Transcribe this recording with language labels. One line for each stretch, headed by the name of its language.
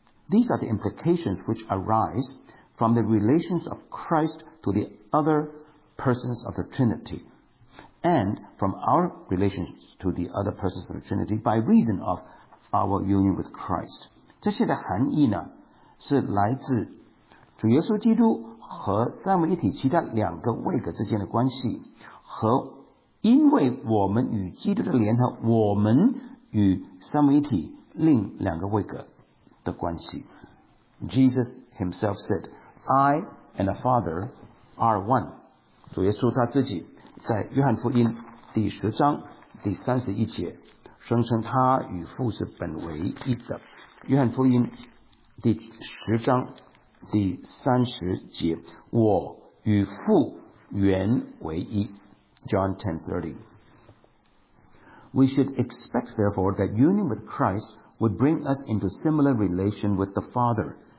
English: These are the implications which arise from the relations of Christ to the other persons of the Trinity, and from our relations to the other persons of the Trinity by reason of our union with Christ.
Chinese: 这些的含义呢，是来自主耶稣基督和三位一体其他两个位格之间的关系，和因为我们与基督的联合，我们与三位一体另两个位格的关系.
English: Jesus himself said, I and the Father are one.
Chinese: 主耶稣他自己 在约翰福音第10章第31节，声称他与父是本为一的。约翰福音第10章第30节，我与父原为一。
English: John 10:30. We should expect, therefore, that union with Christ would bring us into similar relation with the Father.